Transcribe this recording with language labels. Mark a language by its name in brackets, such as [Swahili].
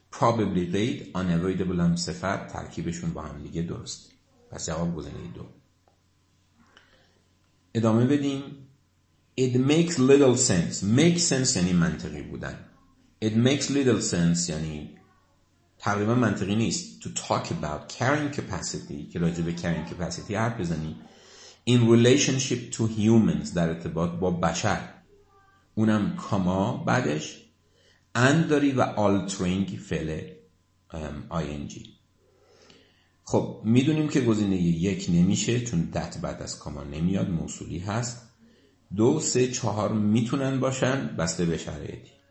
[Persian] Probably غیر، unavoidable هم صفت، ترکیبشون با هم دیگه درست، پس جواب گزینه 2. ادامه بدیم. [English] It makes little sense. Make sense [Persian] یعنی منطقی بودن. [English] It makes little sense [Persian] یعنی تقریبا منطقی نیست. [English] To talk about carrying capacity، [Persian] که راجع به [English] carrying capacity [Persian] حرف بزنی، [English] in relationship to humans، [Persian] در ارتباط با بشر. اونم کاما بعدش and داری و altering فعل ing. خب میدونیم که گزینه 1 نمیشه چون that بعد از کاما نمیاد، موصولی هست. 2, 3, 4 میتونن باشن بسته به شرایطی.